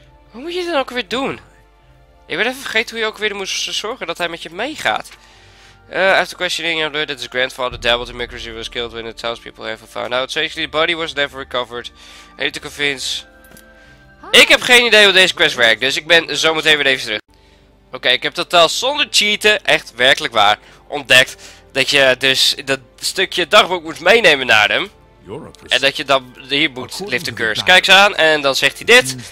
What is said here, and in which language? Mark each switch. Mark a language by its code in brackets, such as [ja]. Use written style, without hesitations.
[nl] Hoe moet je dan ook weer doen? Ik ben even vergeten hoe je ook weer moest zorgen dat hij met je meegaat. [en] After questioning, I learned that his grandfather dabbled in necromancy and was killed when the townspeople ever found out. Strangely, the body was never recovered. I need to convince... [nl] Ik heb geen idee hoe deze quest werkt, dus ik ben zometeen weer even terug. Oké, ik heb totaal zonder cheaten, echt werkelijk waar, ontdekt dat je dus dat stukje dagboek moet meenemen naar hem. En dat je dan hier moet [en] lift the curse. [nl] Kijk eens aan en dan zegt hij dit.